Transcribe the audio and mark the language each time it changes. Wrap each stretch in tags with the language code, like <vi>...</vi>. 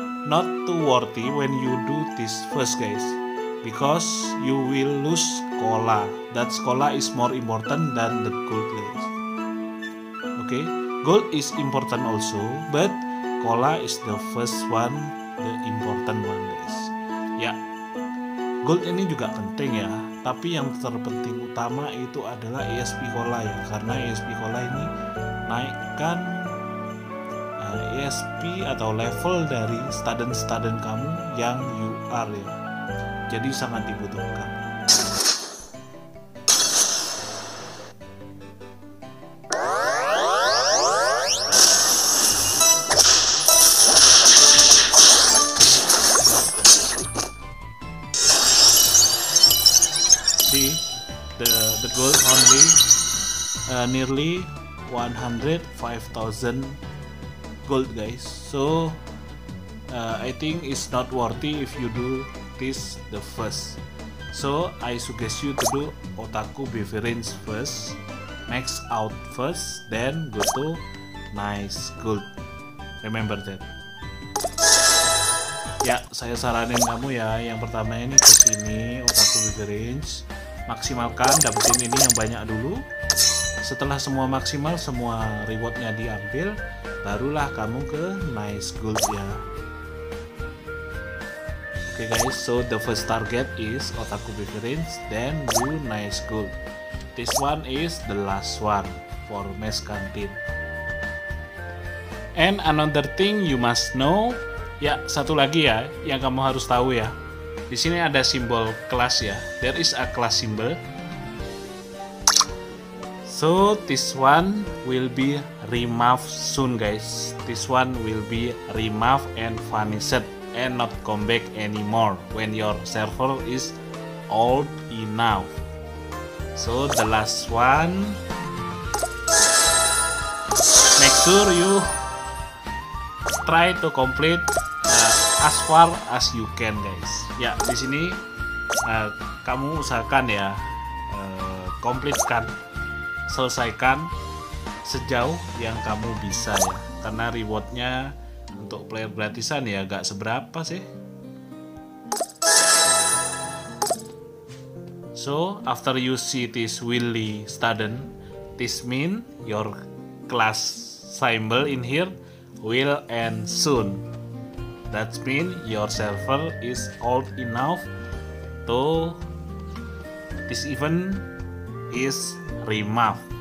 <en>not too worthy when you do this first guys, because you will lose cola. That cola is more important than the gold guys. Okay, gold is important also, but cola is the first one, the important one guys.</en> <id>Ya, gold ini juga penting ya, tapi yang terpenting utama itu adalah ESP cola ya, karena ESP cola ini naikkan ESP atau level dari student-student kamu yang</id> <en>you are</en> <id>ya. Jadi sangat dibutuhkan.</id> <en>See, the gold only nearly 105,000 gold guys. So I think it's not worthy if you do this the first. So I suggest you to do otaku beverage first, max out first, then go to nice gold. Remember that.</en> <id>Ya, saya saranin kamu ya, yang pertama ini ke sini otaku beverage, maksimalkan dapetin ini yang banyak dulu. Setelah semua maksimal, semua rewardnya diambil, barulah kamu ke nice gold ya.</id> <en>Okay guys, so the first target is otaku beverage, then do nice gold. This one is the last one for mess canteen. And another thing you must know,</en> <id>ya satu lagi ya yang kamu harus tahu ya. Di sini ada simbol class ya.</id> <en>There is a class symbol. So this one will be removed soon guys. This one will be removed and vanished and not come back anymore when your server is old enough. So the last one, make sure you try to complete as far as you can guys.</en> <id>Ya di sini kamu usahakan ya komplitkan. Selesaikan sejauh yang kamu bisa ya, karena rewardnya untuk player gratisan ya gak seberapa sih.</id> <en>So after you see this Willy student, this mean your class symbol in here will end soon. That mean your server is old enough to this event is removed.</en>